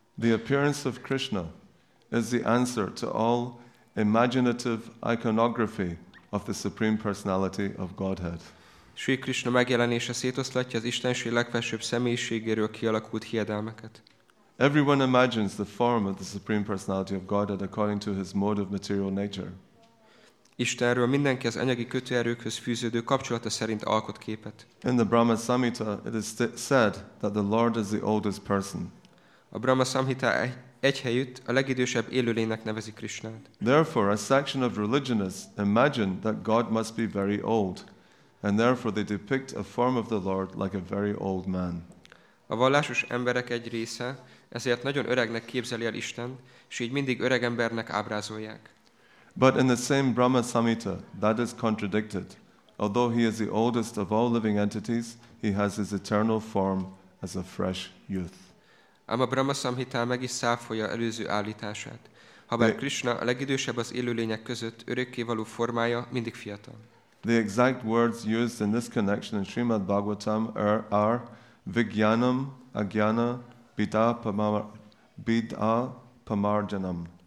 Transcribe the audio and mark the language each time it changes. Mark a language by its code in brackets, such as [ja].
[en] The appearance of Krishna is the answer to all imaginative iconography of the Supreme Personality of Godhead. [hu] Sri Krishna megjelenése szétoszlatja az Istenség legfelsőbb személyiségéről kialakult hiedelmeket. [en] Everyone imagines the form of the Supreme Personality of Godhead according to his mode of material nature. [hu] Istenről mindenki az anyagi kötőerőkhöz fűződő kapcsolata szerint alkot képet. [en] In the Brahma Samhita it is said that the Lord is the oldest person. [hu] A Brahma Samhita egy helyütt a legidősebb élőlénynek nevezi Krishnát. [en] Therefore a section of religionists imagine that God must be very old. And therefore they depict a form of the Lord like a very old man. [hu] A vallásos emberek egy része ezért nagyon öregnek képzeli el Istent, és így mindig öreg embernek ábrázolják. [en] But in the same Brahma Samhita, that is contradicted. Although he is the oldest of all living entities, he has his eternal form as a fresh youth. [hu] Ám a Brahma Samhita meg is száfolja előző állítását. Habár Krishna a legidősebb az élőlények között, örökkévaló formája mindig fiatal. [en] The exact words used in this connection in Srimad Bhagavatam are Vigyanam Agyana Bidha Pamarjanam.